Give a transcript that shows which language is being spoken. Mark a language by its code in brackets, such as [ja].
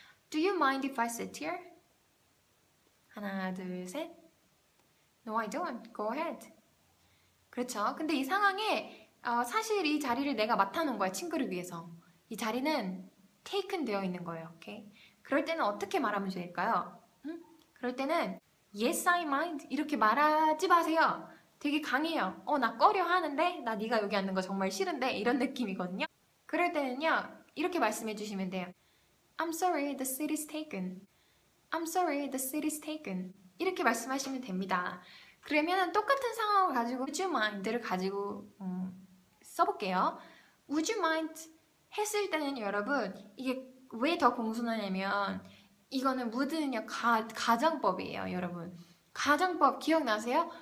[en] Do you mind if I sit here? 하나, 둘, 셋. No, I don't. Go ahead. [ko] 그렇죠? 근데 이 상황에 사실 이 자리를 내가 맡아놓은 거야. 친구를 위해서. 이 자리는 taken 되어 있는 거예요. [en] Okay? [ko] 그럴 때는 어떻게 말하면 좋을까요? 그럴 때는 [en] Yes, I mind. [ko] 이렇게 말하지 마세요. 되게 강해요. 나 꺼려 하는데 나 네가 여기 앉는 거 정말 싫은데 이런 느낌이거든요. 그럴 때는요. 이렇게 말씀해 주시면 돼요. [en] I'm sorry, the seat is taken. I'm sorry, the seat is taken. [ko] 이렇게 말씀하시면 됩니다. 그러면 똑같은 상황을 가지고 [en] Would you mind [ko] 를 가지고 써볼게요. [en] Would you mind [ko] 했을 때는 여러분 이게 왜 더 공손하냐면 이거는 would는요 가정법이에요 여러분 가정법 기억나세요?